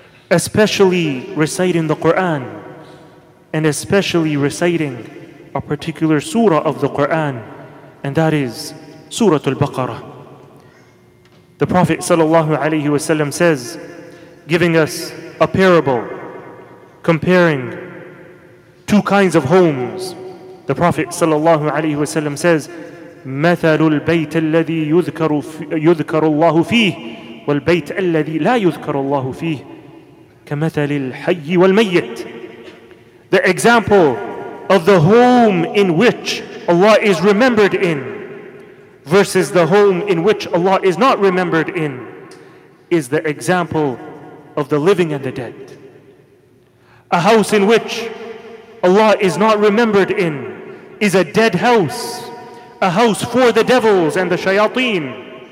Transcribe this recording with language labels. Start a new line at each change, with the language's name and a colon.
English: especially reciting the Quran, and especially reciting a particular surah of the Quran, and that is Surah Al-Baqarah. The Prophet sallallahu alaihi wasallam says, giving us a parable comparing two kinds of homes. The Prophet sallallahu alaihi wasallam says,
Arabic: مَثَلُ الْبَيْتِ الَّذِي يُذْكَرُ اللَّهُ فِيهِ وَالْبَيْتِ الَّذِي لَا يُذْكَرُ اللَّهُ فِيهِ كَمَثَلِ الْحَيِّ وَالْمَيِّتِ.
English: The example of the home in which Allah is remembered in versus the home in which Allah is not remembered in is the example of the living and the dead. A house in which Allah is not remembered in is a dead house, a house for the devils and the shayateen.